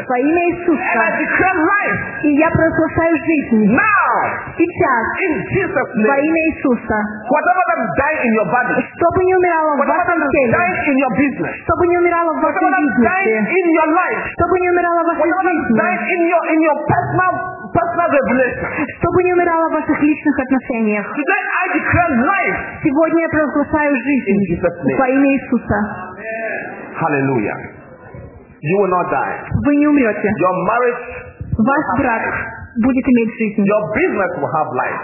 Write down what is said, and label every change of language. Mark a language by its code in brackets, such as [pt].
[ru] Во имя Иисуса. [en] And I declare life. [ru] И я провозглашаю жизнь. [en] Now. [ru] Сейчас. [en] In Jesus' name. [ru] Во имя Иисуса. [en] Whatever that is dying in your body. [ru] Чтобы не умирало в вашем теле. [en] Whatever that is dying in your business. [ru] Чтобы не умирало в вашей жизни. [en] Whatever that is dying in your life. [ru] Чтобы не умирало в вашей жизни. [en] Whatever that is dying in your personal revelation. [ru] Чтобы не умирало в ваших личных отношениях. [en] Today I declare life. [ru] Сегодня я провозглашаю во имя Иисуса. [en] Hallelujah. You will not die. [ru] Вы не умрете. [en] Your marriage. [ru] Ваш брак будет иметь жизнь. [en] Your business will have life.